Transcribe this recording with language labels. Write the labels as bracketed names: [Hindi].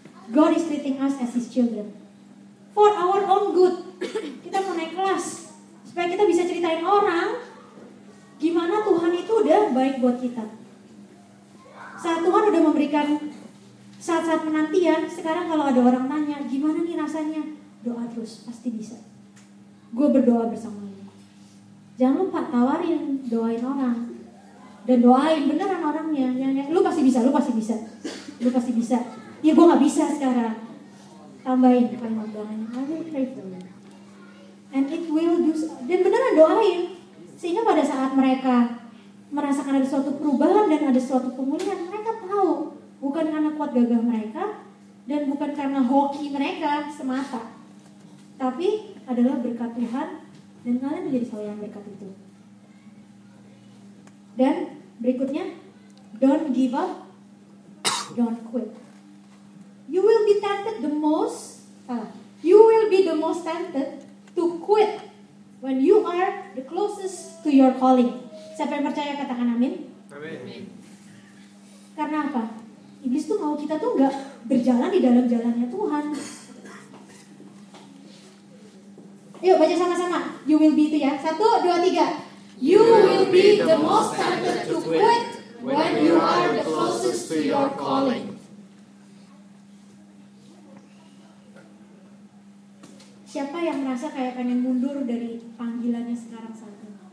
[English] God is treating us as his children for our own good. [Indonesian] Kita mau naik kelas supaya kita bisa ceritain orang gimana Tuhan itu udah baik buat kita. Saat Tuhan udah memberikan saat-saat penantian, sekarang kalau ada orang tanya, gimana nih rasanya? Doa terus, pasti bisa. Gue berdoa bersama lu. Jangan lupa tawarin, doain orang. Dan doain beneran orangnya. Lu pasti bisa, lu pasti bisa. Lu pasti bisa. Ya gue gak bisa sekarang. Tambahin kalimat doanya. [English] I will pray for you. And it will do so. [Indonesian] Dan beneran doain. Sehingga pada saat mereka merasakan ada suatu perubahan dan ada suatu pemulihan, mereka tahu bukan karena kuat gagah mereka dan bukan karena hoki mereka semata, tapi adalah berkat Tuhan dan kalian menjadi salah yang berkat itu. Dan berikutnya, [English] don't give up, don't quit. You will be tempted the most, you will be the most tempted to quit when you are the closest to your calling. [Indonesian] Siapa yang percaya katakan amin. Amin. Karena apa? Iblis tuh mau kita tuh gak berjalan di dalam jalannya Tuhan. Yuk baca sama-sama. [English] You will be [Indonesian] itu ya. 1, 2, 3. [English] You will be the most tempted to quit when you are the closest to your calling. [Indonesian] Siapa yang merasa kayak pengen mundur dari panggilannya sekarang saat ini?